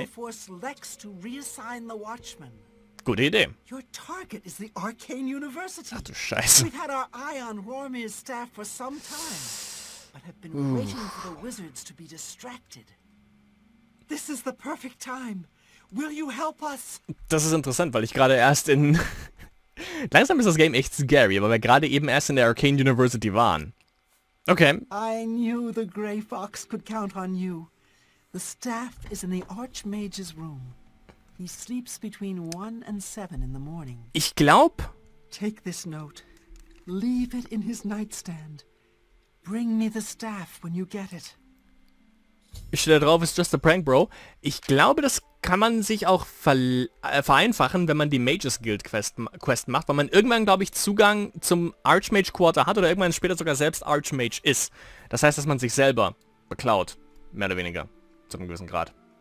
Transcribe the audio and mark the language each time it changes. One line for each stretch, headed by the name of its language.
English: Will force Lex to reassign the watchman.
German: Gute Idee.
English: Your target is the Arcane University.
German: Ach du Scheiße.
English: We've had our eye on Rormir's staff for some time, but have been waiting for the wizards to be distracted. This is the perfect time. Will you help us?
German: Das ist interessant, weil ich gerade erst in Langsam ist das Game echt scary, weil wir gerade eben erst in der Arcane University waren. Okay.
English: I knew the Grey Fox could count on you. The staff is in the Archmage's room. He sleeps between 1 and 7 in the morning.
German: Ich glaube.
English: Take this note. Leave it in his nightstand. Bring me the staff when you get it.
German: Ich stehe da drauf,
English: it's just a prank, bro.
German: Ich glaube, das kann man sich auch vereinfachen, wenn man die Mages Guild Quest macht, weil man irgendwann, glaube ich, Zugang zum Archmage Quarter hat oder irgendwann später sogar selbst Archmage ist. Das heißt, dass man sich selber beklaut, mehr oder weniger, zu einem gewissen Grad.